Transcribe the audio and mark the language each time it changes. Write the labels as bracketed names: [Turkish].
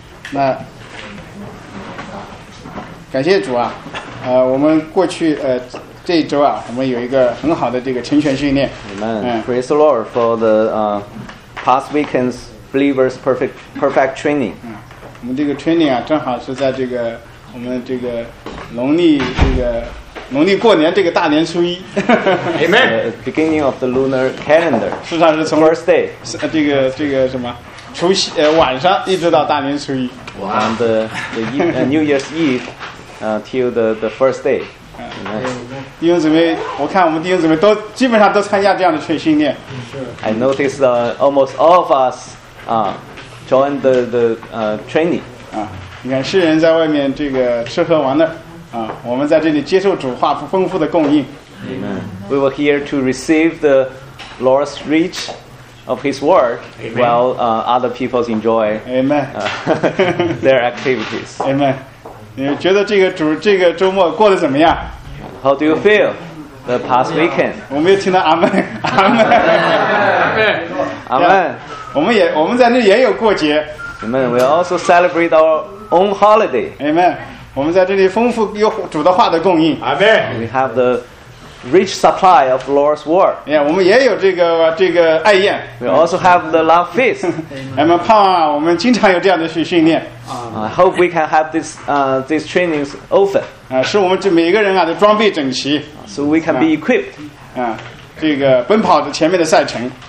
[Chinese] 那感谢主啊，我们过去这一周啊，我们有一个很好的这个成全训练。 [English] Amen. Praise the Lord for the past weekend's believers perfect training. [Chinese] 我们这个 training 啊，正好是在这个我们这个农历过年这个大年初一。 [English] Amen. Beginning of the lunar calendar. [Chinese] 实际上是从 [English] first day [Chinese] 这个什么？除夕晚上一直到大年初一。哇、wow. [English] ！The New Year's Eve, till the first day. [Chinese] 弟兄姊妹，我看我们弟兄姊妹都基本上都参加这样的训练。 [English] I noticed almost all of us joined the training. [Chinese] 你看世人在外面这个吃喝玩乐，我们在这里接受主话丰富的供应。 [English] Amen. We were here to receive the Lord's reach. Of his word、 Amen. while other people enjoy Amen. their activities. Amen. [Chinese] 你觉得这个周末过得怎么样？ [English] How do you feel the past weekend? [Chinese] 我们也听到阿们，阿们，阿们。我们在那也有过节。 [English] Amen. We also celebrate our own holiday. Amen. [Chinese] 我们在这里丰富有主的话的供应。 [English] Amen. We have the. Rich supply of Lord's word. [Chinese] Yeah, 我们也有这个爱宴。 [English] We also have the love feast. [Chinese] 盼望我们经常有这样的训练。 [English] I hope we can have these trainings often. [Chinese] 使我们这每个人啊的装备整齐。 [English] So we can be equipped. [Chinese] 这个奔跑着前面的赛程。